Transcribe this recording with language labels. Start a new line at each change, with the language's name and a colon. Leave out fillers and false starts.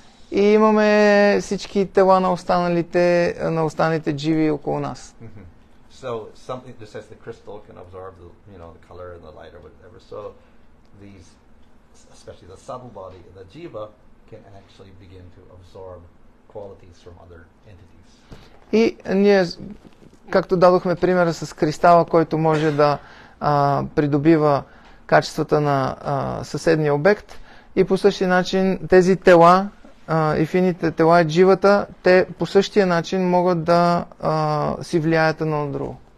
Bulgarian: И имаме всички тела на останалите дживи около нас.
English: So something just as the crystal can absorb the, you know, the color and the light or whatever. So these, especially the subtle body, the jiva, can actually begin to absorb qualities from other entities.
Bulgarian: И ние, както дадохме примера с кристала, който може да придобива качествата на съседния обект, и по същия начин тези тела, ефините тела и дживата, те по същия начин могат да си влияят едно на друго.